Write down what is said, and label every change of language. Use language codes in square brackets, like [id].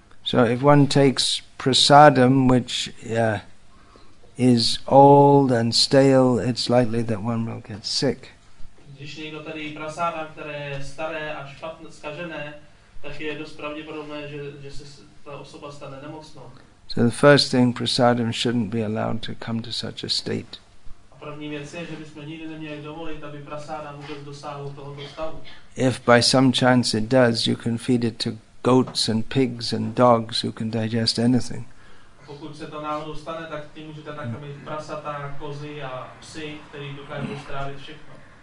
[en] So if one takes prasadam, which is old and stale, it's likely that one will get sick. [cs] Když někdo tady prasadam, které je staré a špatně zkažené, tak je dost pravděpodobné, že se ta osoba stane nemocnou. [en] So the first thing, prasadam shouldn't be allowed to come to such a state. [cs] A první věc je, že bychom nikdy neměli dovolit, aby prasadam vůbec dosáhlo tohoto stavu. [en] If by some chance it does, you can feed it to goats and pigs and dogs who can digest anything. [cs] A pokud se to náhodou stane, tak ty můžete nakrmit prasata, kozy a psy, který dokážou strávit všechno.